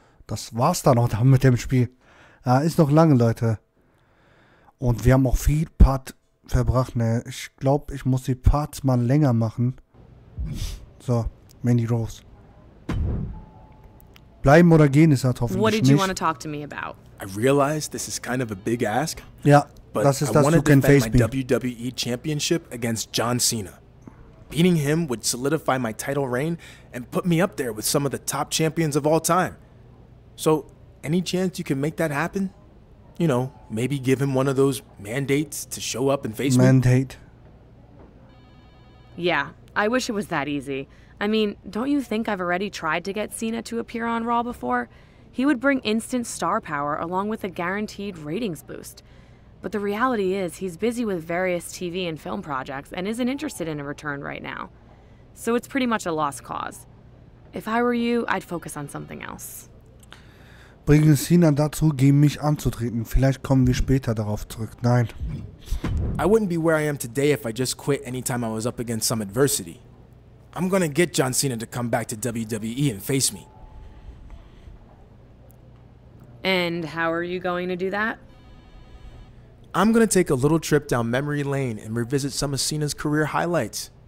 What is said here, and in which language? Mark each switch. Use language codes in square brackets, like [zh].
[de] Das war's dann auch dann mit dem Spiel. Ja, ist noch lange, Leute. Und wir haben auch viel Part verbracht, ne? Ich glaube, ich muss die Parts mal länger machen. So, Mandy Rose. Bleiben oder gehen ist halt hoffentlich nicht. [en] What did you want to talk to me about? I realize this is kind of a big ask. [de] Ja. [en] But [de] das ist, [en] I want to defend my WWE Championship against John Cena. Beating him would solidify my title reign and put me up there with some of the top champions of all time. So, any chance you can make that happen? You know, maybe give him one of those mandates to show up and face mandate. Me? Mandate. Yeah, I wish it was that easy. I mean, don't you think I've already tried to get Cena to appear on Raw before? He would bring instant star power along with a guaranteed ratings boost. But the reality is, he's busy with various TV and film projects and isn't interested in a return right now. So it's pretty much a lost cause. If I were you, I'd focus on something else. [de] Bring Cena dazu, gegen mich anzutreten. Vielleicht kommen wir später darauf zurück. Nein. [en] I wouldn't be where I am today if I just quit anytime I was up against some adversity. I'm gonna get John Cena to come back to WWE and face me. And how are you going to do that? I'm gonna take a little trip down memory lane and revisit some of Cena's career highlights.